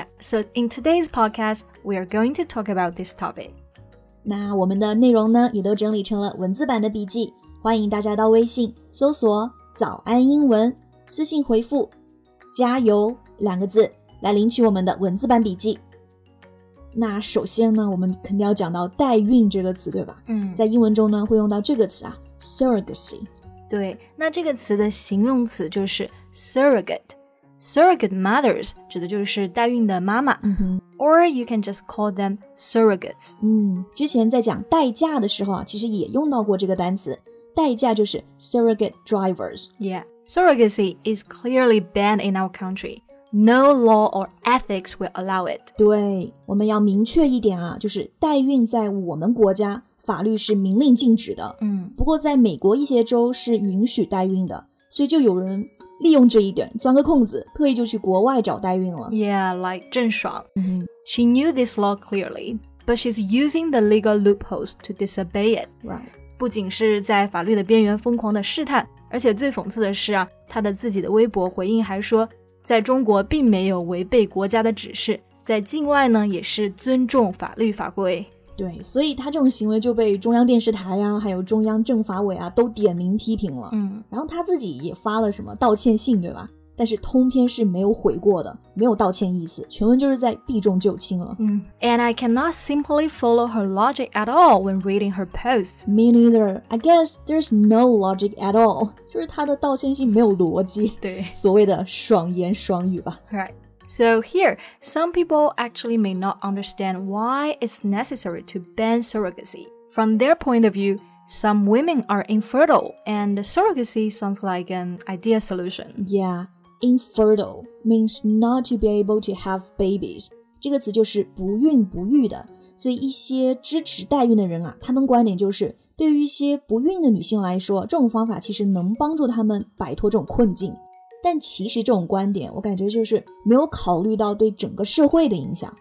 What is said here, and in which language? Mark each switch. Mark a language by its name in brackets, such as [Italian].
[English] Yeah, so in today's podcast, we are going to talk about this topic. [Chinese] 那我们的内容呢也都整理成了文字版的笔记，欢迎大家到微信搜索早安英文，私信回复加油两个字来领取我们的文字版笔记。那首先呢我们肯定要讲到代孕这个词对吧，在英文中呢会用到这个词啊 surrogacy。对，那这个词的形容词就是 surrogate。 Surrogate mothers 指的就是代孕的妈妈， [English] Or you can just call them surrogates。 [Chinese] 之前在讲代驾的时候啊其实也用到过这个单词，代驾就是 surrogate drivers。 [English] Yeah, surrogacy is clearly banned in our countryNo law or ethics will allow it. [Chinese] 对，我们要明确一点啊，就是代孕在我们国家法律是明令禁止的。不过在美国一些州是允许代孕的，所以就有人利用这一点钻个空子，特意就去国外找代孕了。 [English] Yeah, like 郑爽。 She knew this law clearly, but she's using the legal loopholes to disobey it. Right. [Chinese] 不仅是在法律的边缘疯狂的试探，而且最讽刺的是啊，她的自己的微博回应还说。在中国并没有违背国家的指示，在境外呢也是尊重法律法规。对，所以他这种行为就被中央电视台啊还有中央政法委啊都点名批评了。然后他自己也发了什么道歉信对吧，但是通篇是没有悔过的，没有道歉意思，全文就是在避重就轻了。 [English] And I cannot simply follow her logic at all when reading her posts. Me neither. I guess there's no logic at all. [Chinese] 就是她的道歉信没有逻辑。对，所谓的爽言爽语吧。 [English] Right. So here, some people actually may not understand why it's necessary to ban surrogacy. From their point of view,Some women are infertile, and surrogacy sounds like an ideal solution. Yeah, infertile means not to be able to have babies. [Chinese] 这个词就是不孕不育的。所以一些支持代孕的人啊，他们观点就是对于一些不孕的女性来说，这种方法其实能帮助她们摆脱这种困境。但其实这种观点，我感觉就是没有考虑到对整个社会的影响。